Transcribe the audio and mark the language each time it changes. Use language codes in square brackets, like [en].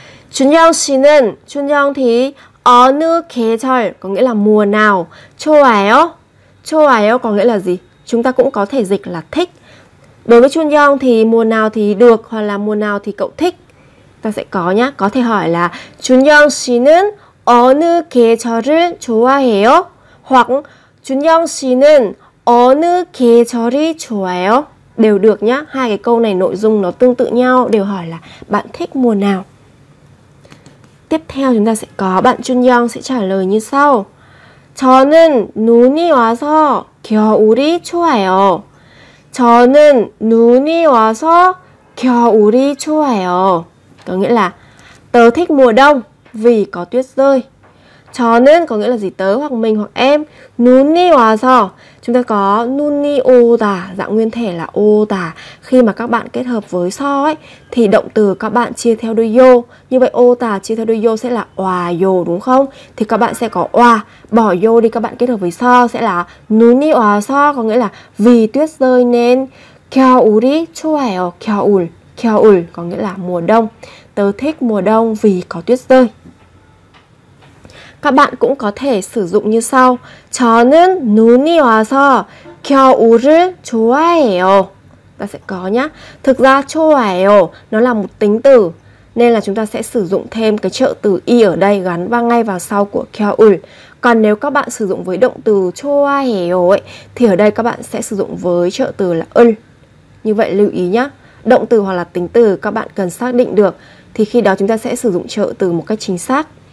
[ko] 준영 씨는, 준영 [vi] thì [ko] 어느 계절 [vi] có nghĩa là mùa nào, [ko] 좋아요, 좋아요 [vi] có nghĩa là gì? Chúng ta cũng có thể dịch là thích. Đối với Chunyoung thì mùa nào thì được hoặc là mùa nào thì cậu thích. Ta sẽ có nhá, có thể hỏi là [ko] Chunyoung 씨는 어느 계절을 좋아해요? Hoặc Chunyoung 씨는 어느 계절이 좋아요? [vi] Đều được nhá, hai cái câu này nội dung nó tương tự nhau, đều hỏi là bạn thích mùa nào. Tiếp theo chúng ta sẽ có bạn Chunyoung sẽ trả lời như sau. [ko] 저는 눈이 와서 겨울이 좋아요. 저는 눈이 와서 겨울이 좋아요. [vi] Có nghĩa là tớ thích mùa đông vì có tuyết rơi. [ko] 저는 [vi] có nghĩa là gì? Tớ hoặc mình hoặc em. [ko] 눈이 와서 [vi] chúng ta có [ko] 눈이 오다 [vi] dạng nguyên thể là [ko] 오다. [vi] Khi mà các bạn kết hợp với 서 ấy thì động từ các bạn chia theo đuôi 요. Như vậy 오다 chia theo đuôi 요 sẽ là [ko] 와요 [vi] đúng không? Thì các bạn sẽ có 와, bỏ 요 đi, các bạn kết hợp với 서 sẽ là [ko] 눈이 와서, [vi] có nghĩa là vì tuyết rơi nên [ko] 겨울이 좋아요. 겨울, 겨울 [vi] có nghĩa là mùa đông. Tớ thích mùa đông vì có tuyết rơi. Các bạn cũng có thể sử dụng như sau. [ko] 저는 눈이 와서 겨울을 좋아해요. [vi] Ta sẽ có nhá. Thực ra [ko] 좋아해요 [vi] nó là một tính từ, nên là chúng ta sẽ sử dụng thêm cái trợ từ y ở đây gắn vào ngay vào sau của 겨울. Còn nếu các bạn sử dụng với động từ [ko] 좋아해요 [vi] ấy thì ở đây các bạn sẽ sử dụng với trợ từ là 을. Như vậy lưu ý nhá, động từ hoặc là tính từ các bạn cần xác định được thì khi đó chúng ta sẽ sử dụng trợ từ một cách chính xác.